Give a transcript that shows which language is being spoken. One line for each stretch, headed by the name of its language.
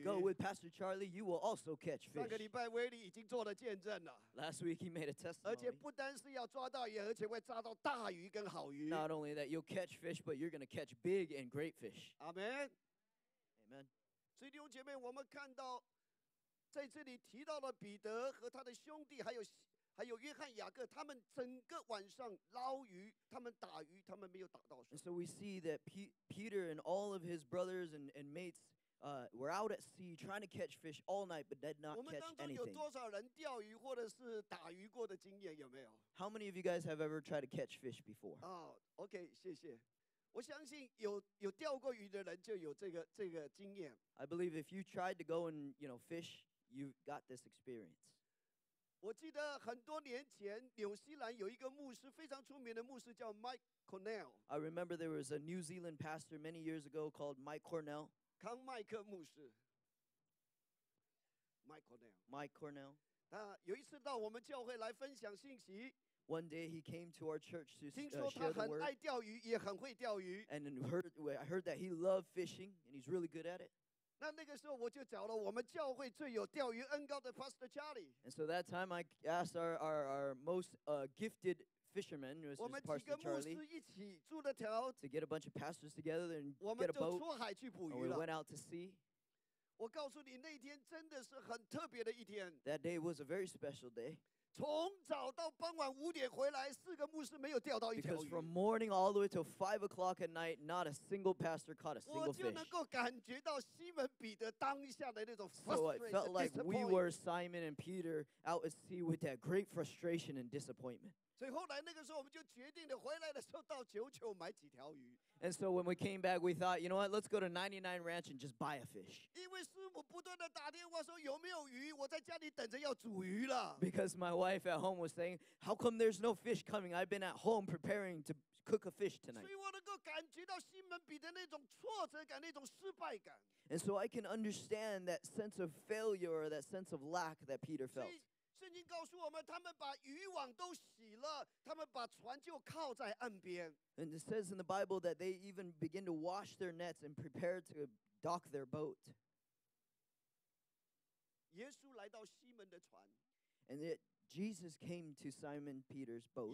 English: If you go with Pastor Charlie, you will also catch fish.
Chinese: 上个礼拜威利已经做了见证了。
English: Last week he made a testimony.
Chinese: 而且不单是要抓到鱼，而且会抓到大鱼跟好鱼。
English: Not only that you'll catch fish, but you're going to catch big and great fish. Amen. Amen.
Chinese: 所以弟兄姐妹，我们看到在这里提到了彼得和他的兄弟，还有约翰、雅各，他们整个晚上捞鱼，他们打鱼，他们没有打到水。
English: And so we see that Peter and all of his brothers and mates were out at sea trying to catch fish all night, but did not catch anything.
Chinese: 我们当中有多少人钓鱼或者是打鱼过的经验有没有
English: ？How many of you guys have ever tried to catch fish before?
Chinese: Okay, 谢谢。我相信有钓过鱼的人就有这个经验。
English: I believe if you tried to go and fish, you got this experience.
Chinese: 我记得很多年前，纽西兰有一个牧师，非常出名的牧师叫 Mike Cornell。
English: I remember there was a New Zealand pastor many years ago called Mike Cornell。
Chinese: 康麦克牧师 ，Mike Cornell。
English: Mike Cornell。
Chinese: 他有一次到我们教会来分享信息。
English: One day he came to our church to share the word.
Chinese: 听说他很爱钓鱼，也很会钓鱼。
English: And I heard that he loved fishing and he's really good at it.
Chinese: 那个时候我就找了我们教会最有钓鱼恩膏的 Pastor Charlie.
English: And so that time I asked our most gifted fisherman, which is Pastor Charlie, to get a bunch of pastors together and get a boat. And we went out to sea.
Chinese: 我告诉你，那天真的是很特别的一天。
English: That day was a very special day.
Chinese: 从早到傍晚五点回来，四个牧师没有钓到一条鱼。
English: Because from morning all the way till 5 o'clock at night, not a single pastor caught a single fish.
Chinese: 我就能够感觉到西门彼得当下的那种 frustration.
English: So it felt like we were Simon and Peter out at sea with that great frustration and disappointment.
Chinese: 所以后来那个时候我们就决定了回来的时候到九九买几条鱼。
English: And so when we came back, we thought, you know what? Let's go to 99 Ranch and just buy a fish.
Chinese: 因为师母不断的打电话说有没有鱼，我在家里等着要煮鱼了。
English: Because my wife at home was saying, how come there's no fish coming? I've been at home preparing to cook a fish tonight.
Chinese: 所以我能够感觉到西门彼得那种挫折感，那种失败感。
English: And so I can understand that sense of failure, that sense of lack that Peter felt.
Chinese: 圣经告诉我们，他们把渔网都洗了，他们把船就靠在岸边。
English: And it says in the Bible that they even begin to wash their nets and prepare to dock their boat.
Chinese: 耶稣来到西门的船。
English: And yet Jesus came to Simon Peter's boat.